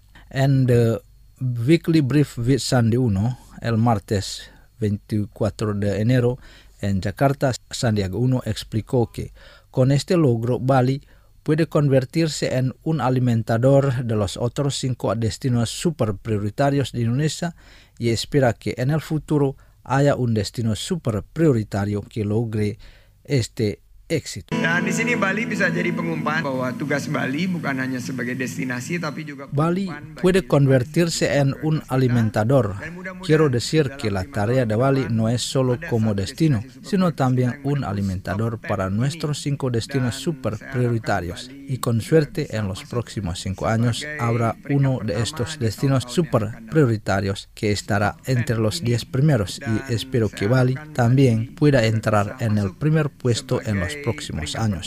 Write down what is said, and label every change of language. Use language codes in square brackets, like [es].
[es] En The Weekly Brief with Sandi Uno, el martes 24 de enero, en Jakarta, Sandiaga Uno explicó que con este logro Bali puede convertirse en un alimentador de los otros 5 destinos super prioritarios de Indonesia y espera que en el futuro haya un destino super prioritario que logre este éxito. [id] Nah, di sini Bali bisa jadi pengumpan bahwa tugas Bali bukan hanya sebagai destinasi tapi juga [es] Bali puede convertirse en un alimentador. Quiero decir que la tarea de Bali no es solo como destino, sino también un alimentador para nuestros 5 destinos super prioritarios. Y con suerte, en los próximos 5 años habrá uno de estos destinos super prioritarios que estará entre los 10 primeros y espero que Bali también pueda entrar en el primer puesto en los próximos años.